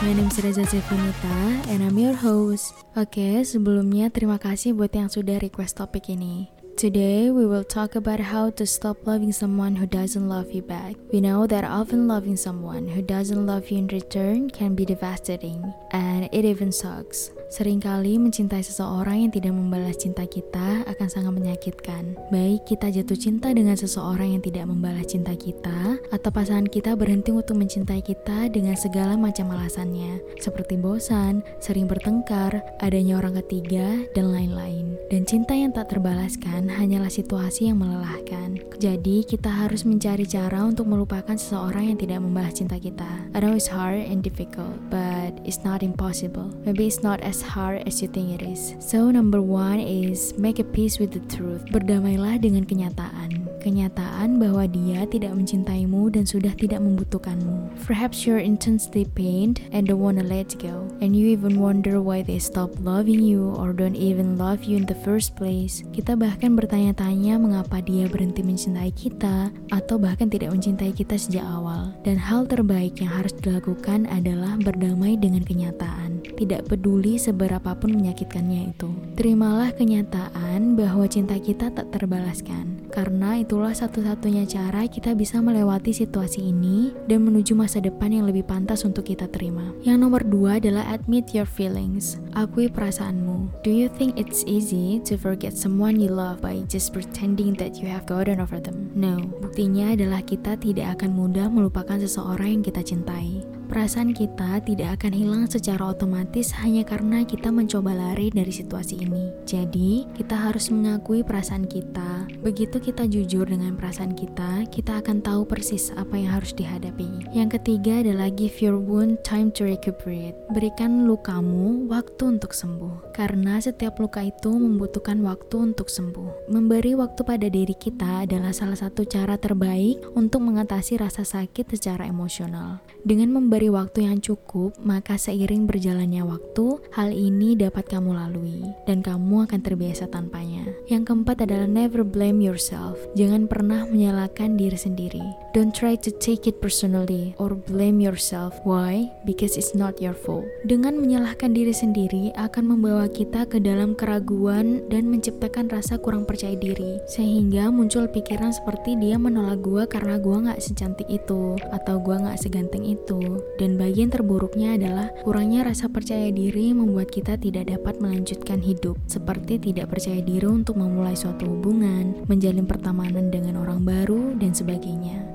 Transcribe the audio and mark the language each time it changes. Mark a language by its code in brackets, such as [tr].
[en] My name is Reza Zevinita and I'm your host. [id] Okay, sebelumnya terima kasih buat yang sudah request topik ini. [en] Today, we will talk about how to stop loving someone who doesn't love you back. We know that often loving someone who doesn't love you in return can be devastating, and it even sucks. [id] Seringkali mencintai seseorang yang tidak membalas cinta kita akan sangat menyakitkan. Baik kita jatuh cinta dengan seseorang yang tidak membalas cinta kita, atau pasangan kita berhenti untuk mencintai kita dengan segala macam alasannya, seperti bosan, sering bertengkar, adanya orang ketiga, dan lain-lain. Dan cinta yang tak terbalaskan hanyalah situasi yang melelahkan. Jadi kita harus mencari cara untuk melupakan seseorang yang tidak membalas cinta kita. [en] I know it's hard and difficult, but it's not impossible. Maybe it's not as hard as you think it is. So number one is make a peace with the truth. [id] Berdamailah dengan kenyataan. Kenyataan bahwa dia tidak mencintaimu dan sudah tidak membutuhkanmu. [en] Perhaps you're intensely pained and don't wanna let go. And you even wonder why they stop loving you or don't even love you in the first place. [id] Kita bahkan bertanya-tanya mengapa dia berhenti mencintai kita atau bahkan tidak mencintai kita sejak awal. Dan hal terbaik yang harus dilakukan adalah berdamai dengan kenyataan. Tidak peduli seberapa pun menyakitkannya itu. Terimalah kenyataan bahwa cinta kita tak terbalaskan. Karena itulah satu-satunya cara kita bisa melewati situasi ini dan menuju masa depan yang lebih pantas untuk kita terima. Yang nomor dua adalah [en] admit your feelings. [id] Akui perasaanmu. [en] Do you think it's easy to forget someone you love by just pretending that you have gotten over them? No. [id] Buktinya adalah kita tidak akan mudah melupakan seseorang yang kita cintai. Perasaan kita tidak akan hilang secara otomatis hanya karena kita mencoba lari dari situasi ini. Jadi, kita harus mengakui perasaan kita. Begitu kita jujur dengan perasaan kita, kita akan tahu persis apa yang harus dihadapi. Yang ketiga adalah [en] give your wound time to recuperate. [id] Berikan lukamu waktu untuk sembuh. Karena setiap luka itu membutuhkan waktu untuk sembuh. Memberi waktu pada diri kita adalah salah satu cara terbaik untuk mengatasi rasa sakit secara emosional. Dengan memberi waktu yang cukup, maka seiring berjalannya waktu, hal ini dapat kamu lalui, dan kamu akan terbiasa tanpanya. Yang keempat adalah [en] never blame yourself. [id] Jangan pernah menyalahkan diri sendiri. [en] Don't try to take it personally or blame yourself. Why? Because it's not your fault. [id] Dengan menyalahkan diri sendiri akan membawa kita ke dalam keraguan dan menciptakan rasa kurang percaya diri. Sehingga muncul pikiran seperti dia menolak gua karena gua gak secantik itu, atau gua gak seganteng itu. Dan bagian terburuknya adalah kurangnya rasa percaya diri membuat kita tidak dapat melanjutkan hidup, seperti tidak percaya diri untuk memulai suatu hubungan, menjalin pertemanan dengan orang baru, dan sebagainya.